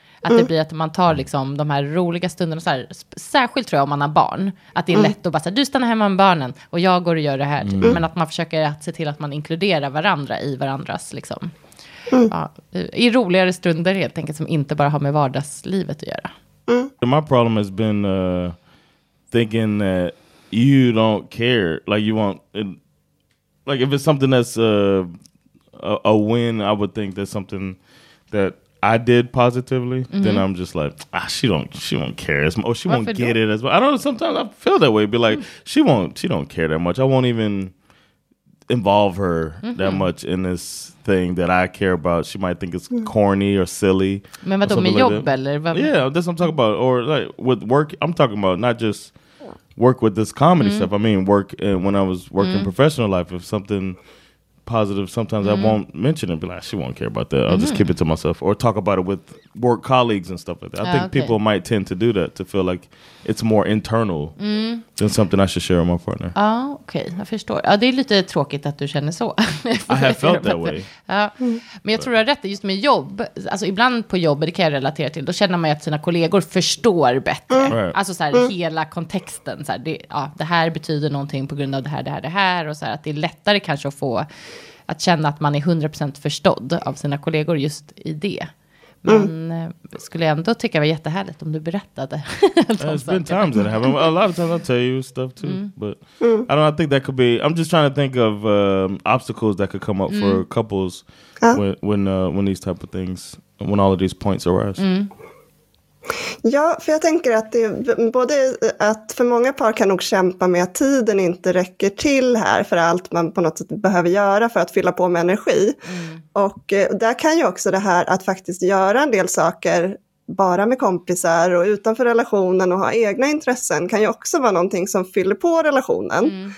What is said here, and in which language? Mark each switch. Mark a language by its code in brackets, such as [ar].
[sv] Att det blir att man tar liksom de här roliga stunderna. Så här, särskilt tror jag om man har barn. Att det är lätt att bara säga, du stannar hemma med barnen. Och jag går och gör det här. Typ. Mm. Men att man försöker att se till att man inkluderar varandra i varandras. Liksom. Mm. Ja, i roligare stunder helt enkelt. Som inte bara har med vardagslivet att göra. Mm. [en] My problem has been thinking that you don't care. Like you want... Like if it's something that's a win, I would think that's something that I did positively. Mm-hmm. Then I'm just like, ah, she won't care as much. Oh, she won't get it as well. I don't know. Sometimes I feel that way. Be like, she don't care that much. I won't even involve her that much in this thing that I care about. She might think it's corny or silly. [sv] Men vad då med jobb eller? [en] Yeah, that's what I'm talking about. Or like with work, I'm talking about not just. Work with this comedy stuff. I mean, work when I was working professional life. If something positive, sometimes I won't mention it. Be like, she won't care about that. I'll just keep it to myself or talk about it with work colleagues and stuff like that. I think people might tend to do that to feel like it's more internal than something I should share with my partner. [sv] Ah, okay, jag förstår. Ja, det är lite tråkigt att du känner så. [en] I have felt that way. [sv] Ja. Men jag tror jag rätt just med jobb. Alltså ibland på jobbet, det kan jag relatera till. Då känner man ju att sina kollegor förstår bättre. [en] Right. [sv] Alltså så här, hela kontexten. Så här, det, ja, det här betyder någonting på grund av det här. Och så här, att det är lättare kanske att få... Att känna att man är 100% förstådd av sina kollegor just i det. Men skulle ändå tycka det var jättehärligt om du berättade. [en] It's been times that happen. A lot of times I tell you stuff too. But I don't know, I think that could be... I'm just trying to think of obstacles that could come up for couples when these type of things, when all of these points arise. Mm. [sv] Ja, för jag tänker att det både att för många par kan nog kämpa med att tiden inte räcker till här för allt man på något sätt behöver göra för att fylla på med energi. Och där kan ju också det här att faktiskt göra en del saker bara med kompisar och utanför relationen och ha egna intressen kan ju också vara någonting som fyller på relationen.